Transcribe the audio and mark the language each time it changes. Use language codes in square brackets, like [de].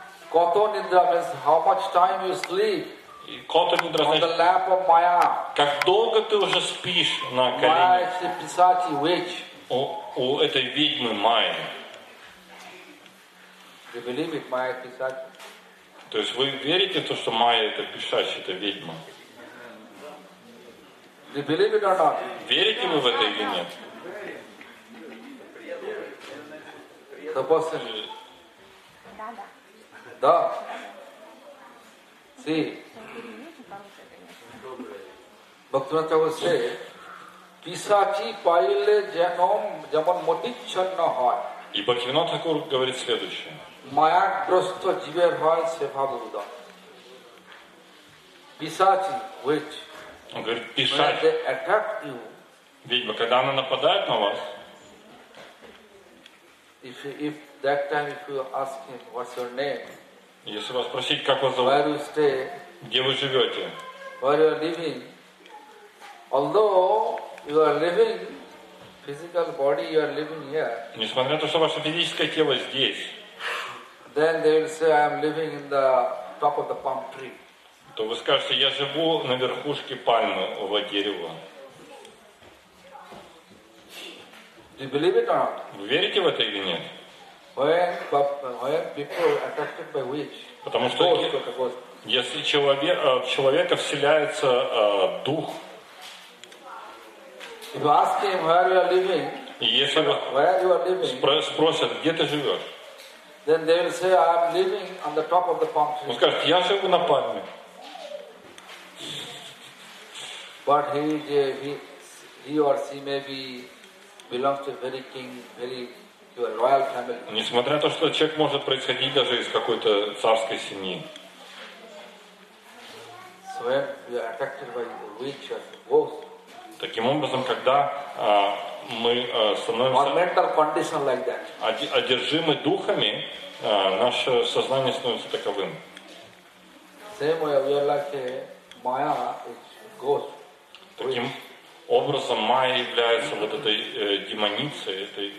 [en] Kato nidra means how much time you sleep. [ru] Кото нидра, значит, как долго ты уже спишь на колене у этой ведьмы Майя. То есть вы верите в то, что Майя это писатель, это ведьма? Верите вы в это или нет? Да. Си. Бхактивинода Тхакур говорит, [bn] писачи пайле женом жаман мотичанна хай. [ru] И Бхактивинода Тхакур говорит следующее. Маяк просто живер хай севабуда. [en] Писачи, which? [ru] Он говорит, писачи. [en] Attractive. [ru] Ведьма, когда она нападает на вас? [en] If that time if you ask him what's your name? [ru] Если вас спросить, как вас зовут? [en] Where you stay? [ru] Где вы живете? [en] Where you are living? Although you are living physical body, you are living here. [ru] Несмотря на то, что ваше физическое тело здесь. [en] Then they will say, I am living in the top of the palm tree. [ru] То вы скажете, я живу на верхушке пальмы, во дерево. [en] Do you believe it or not? [ru] Вы верите в это или нет? [en] When people are attracted by witch. [ru] Потому что если в человека вселяется дух. [en] If you ask him where you are living, [ru] спросят, где ты живешь, [en] then they will say, I'm living on the top of the palm tree. [ru] Он скажет, я живу на пальме. [en] But he or she maybe belongs to very king, very your royal family. [ru] Несмотря на то, что человек может происходить даже из какой-то царской семьи. So when you are attacked by the witch or ghost. Таким образом, когда мы становимся одержимы духами, наше сознание становится таковым. Таким образом, Майя является вот этой демоницей, этой